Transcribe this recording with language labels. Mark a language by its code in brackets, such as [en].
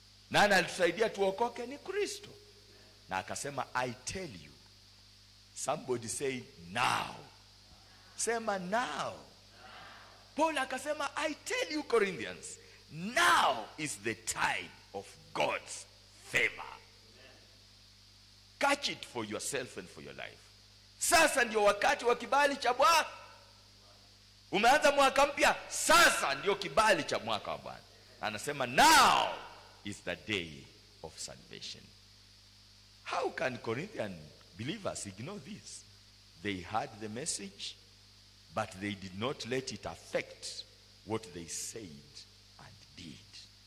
[sw] Nani alitusaidia tuokoke? Ni Kristo. Na akasema, [en] I tell you, somebody say now. [sw] Sema now. [en] Paul [sw] akasema, [en] I tell you Corinthians, now is the time of God's favor. Catch it for yourself and for your life. [sw] Sasa ndio wakati wa kibali cha Bwana. Umeanza mwaka mpya, sasa ndio kibali cha mwaka wa Bwana. Anasema, [en] now is the day of salvation. How can Corinthian believers ignore this? They heard the message, but they did not let it affect what they said and did.